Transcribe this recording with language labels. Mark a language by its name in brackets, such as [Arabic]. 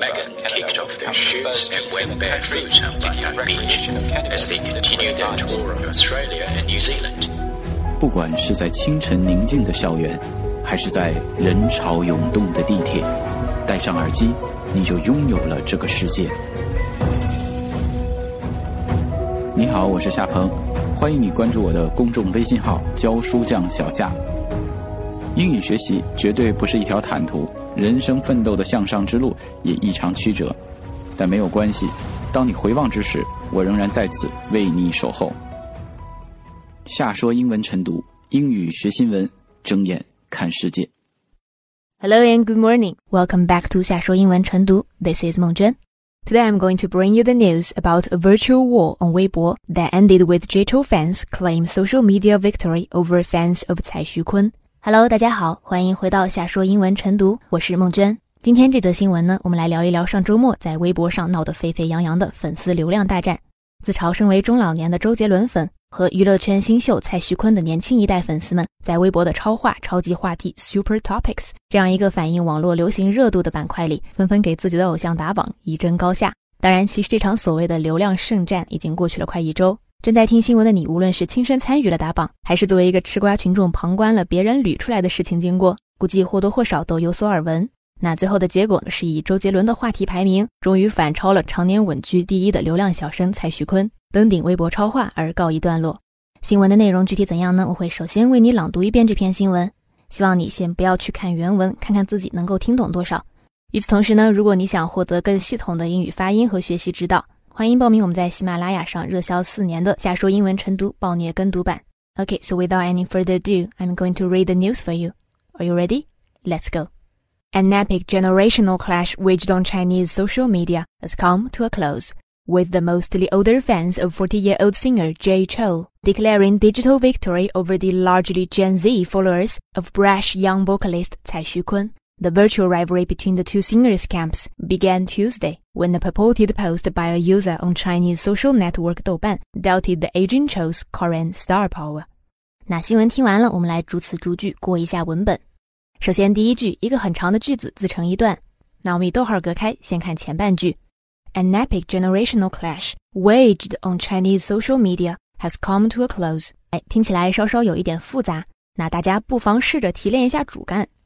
[English] Megan kicked off their shoots and went barefoot on Bondi Beach as they continued their tour of Australia and New Zealand. [Chinese] 不管是在清晨宁静的校园，还是在人潮涌动的地铁，戴上耳机，你就拥有了这个世界。你好，我是夏鹏，欢迎你关注我的公众微信号教书匠小夏。英语学习绝对不是一条坦途，人生奋斗的向上之路也异常曲折，但没有关系，当你回望之时，我仍然在此为你守候。夏说英文晨读，英语学新闻，睁眼看世界。 [English] Hello and good morning, welcome back to 夏说英文晨读， This is 孟娟。 Today I'm going to bring you the news about a virtual war on Weibo that ended with Jay Chou fans claim social media victory over fans of 蔡徐坤。 Hello, [Chinese] 大家好，欢迎回到夏说英文晨读，我是孟娟。今天这则新闻呢，我们来聊一聊上周末在微博上闹得沸沸扬扬的粉丝流量大战。自嘲身为中老年的周杰伦粉和娱乐圈新秀蔡徐坤的年轻一代粉丝们在微博的超话超级话题 Super Topics 这样一个反映网络流行热度的板块里，纷纷给自己的偶像打榜，一争高下。当然，其实这场所谓的流量圣战已经过去了快一周，正在听新闻的你，无论是亲身参与了打榜，还是作为一个吃瓜群众旁观了别人捋出来的事情经过，估计或多或少都有所耳闻。那最后的结果是以周杰伦的话题排名终于反超了常年稳居第一的流量小生蔡徐坤，登顶微博超话而告一段落。新闻的内容具体怎样呢？我会首先为你朗读一遍这篇新闻，希望你先不要去看原文，看看自己能够听懂多少。与此同时呢，如果你想获得更系统的英语发音和学习指导，欢迎报名我们在喜马拉雅上热销四年的夏说英文晨读暴虐跟读版。 [English] OK, so without any further ado, I'm going to read the news for you. Are you ready? Let's go. An epic generational clash waged on Chinese social media has come to a close. With the mostly older fans of 40-year-old singer Jay Chou declaring digital victory over the largely Gen Z followers of brash young vocalist 蔡徐坤. The virtual rivalry between the two singers' camps began Tuesday when a purported post by a user on Chinese social network Douban doubted the aging Chou's current star power. [Chinese] 那新闻听完了，我们来逐词逐句过一下文本。首先第一句，一个很长的句子自成一段，那我们以逗号隔开，先看前半句。 [English] An epic generational clash waged on Chinese social media has come to a close. [Chinese] 哎，听起来稍稍有一点复杂，那大家不妨试着提炼一下主干。